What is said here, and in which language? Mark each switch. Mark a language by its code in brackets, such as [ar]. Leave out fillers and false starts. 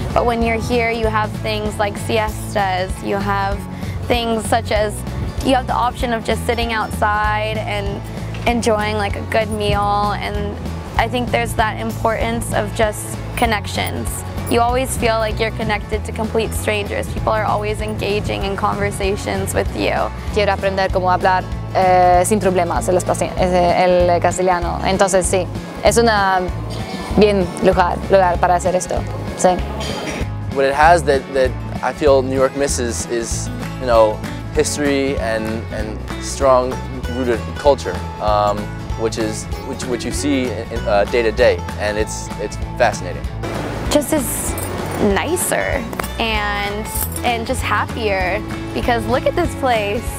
[en] But when you're here, you have things like siestas, you have things such as, you have the option of just sitting outside and enjoying like a good meal. And I think there's that importance of just connections. You always feel like you're connected to complete strangers. People are always engaging in conversations with you. [es] Quiero aprender cómo hablar sin problemas el castellano. Entonces sí, es una bien lugar para hacer esto. Sí. [en] What it has that I feel New York misses is, you know, history and strong rooted culture, which you see day to day, and it's fascinating. Just is nicer and just happier, because look at this place.